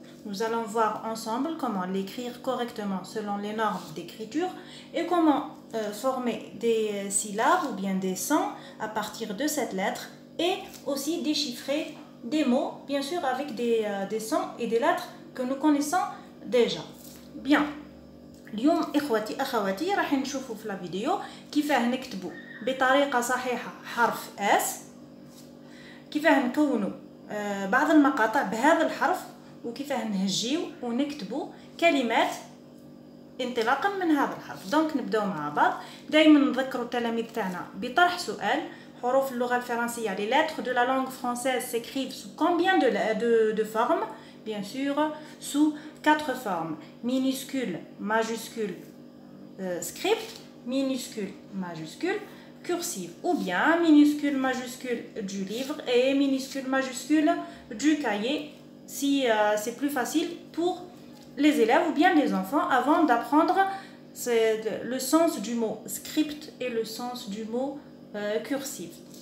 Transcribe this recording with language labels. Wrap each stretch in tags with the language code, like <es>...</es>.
<fr>Nous allons voir ensemble comment l'écrire correctement selon les normes d'écriture et comment former des syllabes ou bien des sons à partir de cette lettre et aussi déchiffrer des mots, bien sûr avec des sons et des lettres que nous connaissons déjà. Bien.</fr> <ar>اليوم اخواتي اخواتي راح نشوفوا في الفيديو كيفاه نكتبوا بطريقه صحيحه حرف اس، كيفاه نكونوا بعض المقاطع بهذا الحرف، وكيفاه نهجيو ونكتبوا كلمات انطلاقا من هذا الحرف. دونك نبداو مع بعض. دائما نذكروا التلاميذ تاعنا بطرح سؤال حروف اللغه الفرنسيه،</ar> <fr>لي لاتر دو لا لانغ فرونسيز سيكريف سو كومبيان دو فورم. Bien sûr, sous quatre formes, minuscule, majuscule, script, minuscule, majuscule, cursive, ou bien minuscule, majuscule du livre et minuscule, majuscule du cahier, si c'est plus facile pour les élèves ou bien les enfants avant d'apprendre le sens du mot script et le sens du mot cursive.</fr>